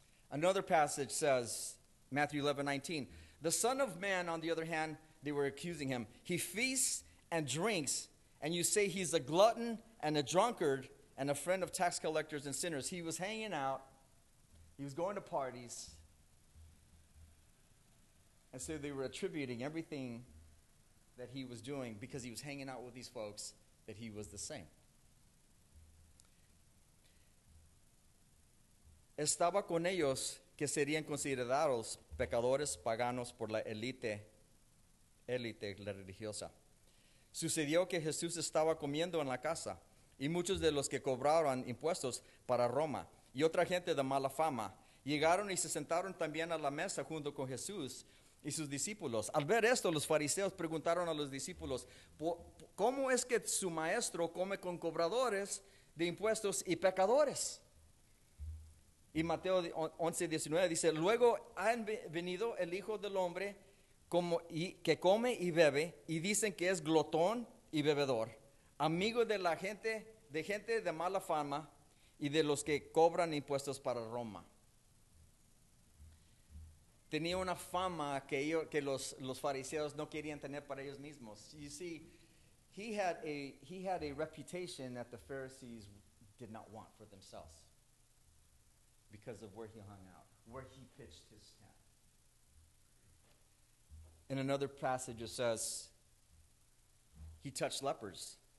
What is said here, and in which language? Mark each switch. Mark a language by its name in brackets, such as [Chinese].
[English] Another passage says, Matthew 11, 19, "The Son of Man, on the other hand," they were accusing him, "he feasts and drinks, and you say he's a glutton and a drunkard and a friend of tax collectors and sinners." He was hanging out. He was going to parties. And so they were attributing everything that he was doing, because he was hanging out with these folks, that he was the same. [Spanish] Estaba con ellos que serían considerados pecadores paganos por la élite religiosa. Sucedió que Jesús estaba comiendo en la casa, y muchos de los que cobraron impuestos para Roma y otra gente de mala fama llegaron y se sentaron también a la mesa junto con Jesús y sus discípulos. Al ver esto, los fariseos preguntaron a los discípulos, ¿cómo es que su maestro come con cobradores de impuestos y pecadores? Y Mateo 11, 19 dice, "Luego ha venido el Hijo del Hombre como y que come y bebe, y dicen que es glotón y bebedor, amigo de la gente, de gente de mala fama y de los que cobran impuestos para Roma." Tenía una fama que los fariseos no querían tener para ellos mismos. [English] You see, he had a reputation that the Pharisees did not want for themselves because of where he hung out, where he pitched his tent. In another passage, it says he touched lepers.